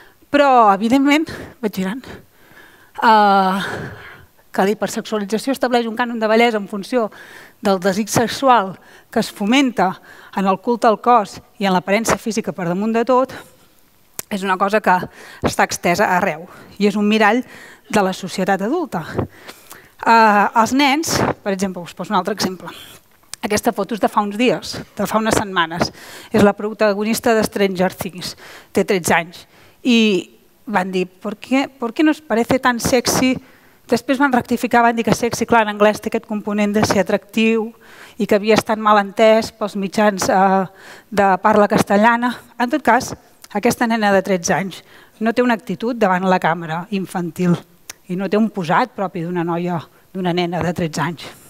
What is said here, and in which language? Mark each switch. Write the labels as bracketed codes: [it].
[ca] Però, evidentment, vaig girant, que la hipersexualització estableix un cànon de bellesa en funció del desig sexual que es fomenta en el culte al cos i en l'aparença física per damunt de tot, és una cosa que està extesa arreu i és un mirall de la societat adulta. Els nens, per exemple, us poso un altre exemple. Aquesta foto és de fa uns dies, de fa unes setmanes. És la protagonista de Stranger Things, té 13 anys. I van dir, [es] ¿por qué no os parece tan sexy? [ca] Després van rectificar, van dir que sexy, clar, en anglès té aquest component de ser atractiu i que havia estat mal entès pels mitjans de parla castellana. En tot cas, aquesta nena de 13 anys no té una actitud davant la càmera infantil i no té un posat propi d'una noia, d'una nena de 13 anys.